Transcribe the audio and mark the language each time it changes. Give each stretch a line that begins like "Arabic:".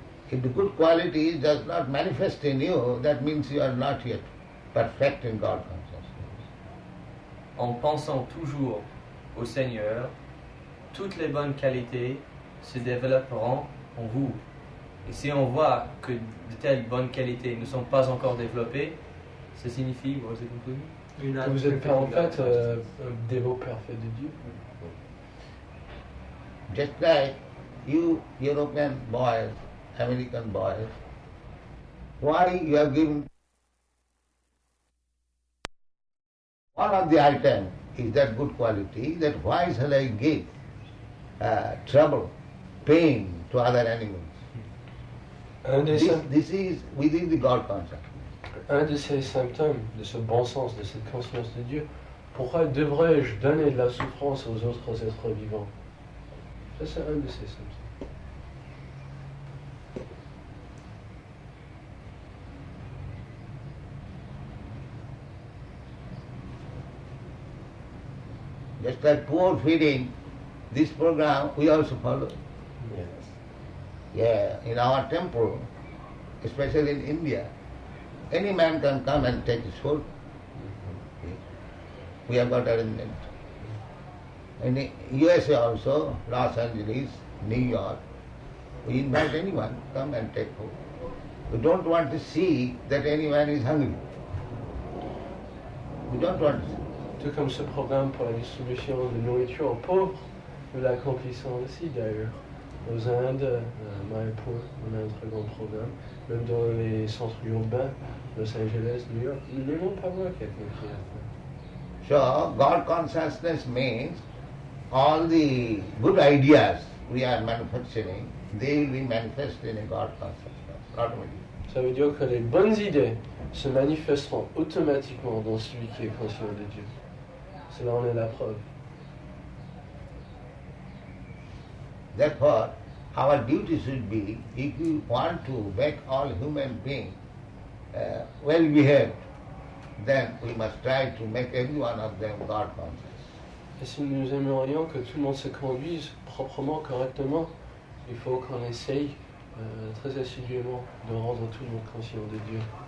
English: If the good qualities does not manifest in you, that means you are not yet perfect in God consciousness.
French: En pensant toujours au Seigneur, toutes les bonnes qualités se développeront en vous. Et si on voit que de telles bonnes qualités ne sont pas encore développées, ça signifie, vous avez compris? Que vous êtes pas en fait un dévot parfait de Dieu.
English: Just like you European boys, American boys, why you have given one of the items is that good quality, that why shall I give trouble, pain to other animals? This is within the God consciousness. Un de ces symptômes, de ce bon sens, de cette conscience de Dieu, pourquoi devrais-je donner de la souffrance aux autres êtres vivants? Ça, c'est un de ces symptômes. Just like poor feeding, this program we also follow. Yes. Yeah, in our temple, especially in India, any man can come and take his food. Mm-hmm. Yeah. We have got arrangement. In the USA also, Los Angeles, New York, we invite anyone to come and take food. We don't want to see that any man is hungry. We don't want to see.
French: Tout comme ce programme pour la distribution de nourriture aux pauvres, nous l'accomplissons aussi d'ailleurs. Aux Indes, à Mayapur, on a un très grand programme. Même dans les centres urbains, Los Angeles, New York, nous ne voulons pas voir quelqu'un qui a faim.
English: So, God consciousness means all the good ideas we are manufacturing, they will be manifested in a God consciousness.
French: Ça veut dire que les bonnes idées se manifesteront automatiquement dans celui qui est conscient de Dieu. Cela en est la preuve.
English: Therefore, our duty should be, if we want to make all human beings well behaved, then we must try to make every one of them God conscious.
French: Et si nous aimerions que tout le monde se conduise proprement, correctement, il faut qu'on essaye très assidûment de rendre tout le monde conscient de Dieu.